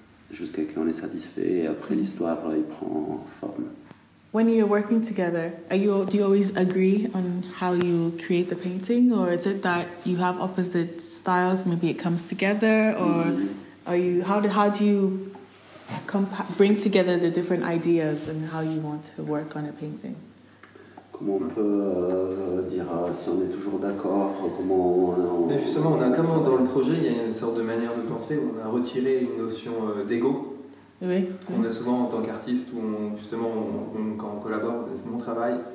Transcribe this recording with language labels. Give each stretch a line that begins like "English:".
French: Jusqu'à qu'on est satisfait et après l'histoire il prend forme.
English: When you're working together, do you always agree on how you create the painting, or is it that you have opposite styles? Maybe it comes together, or are you how do you bring together the different ideas and how you want to work on a painting?
French: Comment on peut dire si on est toujours d'accord? Comment on justement, on a comment dans le projet, il y a une sorte de manière de penser. On a retiré une notion d'ego. Oui. Qu'on a souvent en tant qu'artiste, où quand on collabore, c'est mon travail.